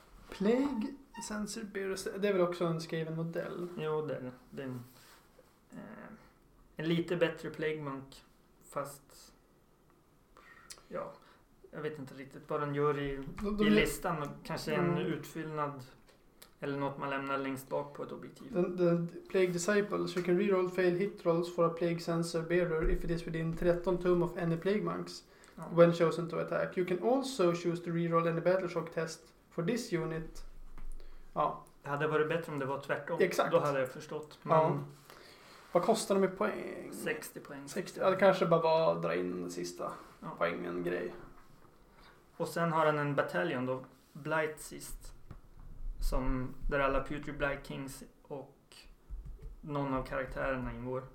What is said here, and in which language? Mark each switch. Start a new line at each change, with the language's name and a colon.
Swedish: Plague Sensor Bearers, det är väl också en skriven modell? Jo, det är en lite bättre Plague Monk, fast ja, jag vet inte riktigt vad den gör i listan. Kanske en utfyllnad eller något man lämnar längst bak på ett objektiv.
English: The Plague Disciples, you can reroll fail hit rolls for a Plague Sensor Bearer if it is within 13 tum of any Plague Monks when chosen to attack. You can also choose to reroll any Battleshock test for this unit.
Swedish: Ja. Det hade varit bättre om det var tvärtom. Exakt. Då hade jag förstått. Men vad kostar de i poäng? 60 poäng. 60. Ja, det kanske bara var att dra in den sista poängen grej. Och sen har han en battalion då, Blight sist. Som där alla Putrid Blight Kings och någon av karaktärerna ingår.